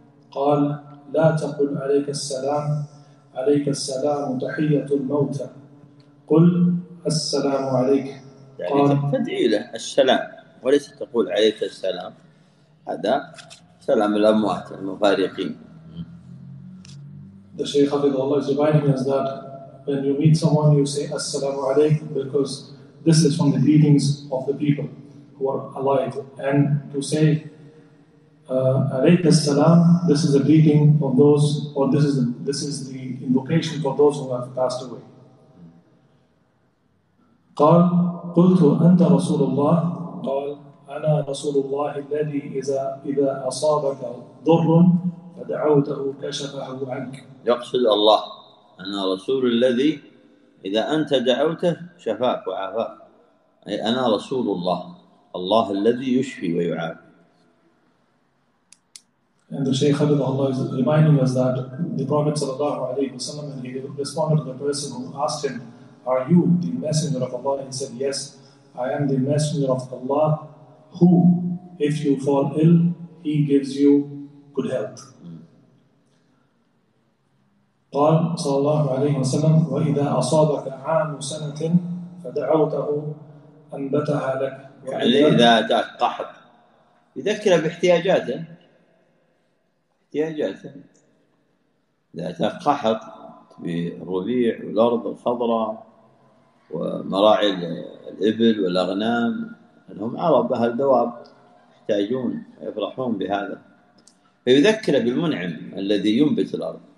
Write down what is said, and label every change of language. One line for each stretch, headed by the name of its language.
Arabic: قال: لا تقل عليك السلام، عليك السلام تحية الموتى، قل السلام عليك. يعني تدعي له السلام وليس تقول عليك السلام، هذا سلام الأموات المفارقين.
English: The Shaykh Hafidh Allah is reminding us that when you meet someone, you say Assalamu alaikum, because this is from the greetings of the people who are alive. And to say Alayka Assalam, this is a greeting of those, or this is the invocation for those who have passed away.
Arabic: قال قلت أنت رسول الله. قال أنا رسول الله الذي إذا أصابك ضر فدعوته كشفه عنك. يقصد الله: أنا رسول الذي إذا أنت دعوته شفاك وعافاك، أي أنا رسول الله، الله الذي يشفي ويعافي.
English: And the Shaykh Khalid Allah is reminding us that the Prophet sallallahu alayhi wa sallam, and he responded to the person who asked him, are you the messenger of Allah? He said, yes, I am the messenger of Allah, who if you fall ill, he gives you good health.
Arabic: قال صلى الله عليه وسلم وإذا أصابك عام سنة فدعوته أنبتها لك. يعني إذا جاءك قحط يذكره باحتياجاته، احتياجاته إذا جاءك قحط بالربيع والأرض الخضراء ومراعي الإبل والأغنام، أنهم عرب أهل دواب يحتاجون ويفرحون بهذا، فيذكره بالمنعم الذي ينبت الأرض.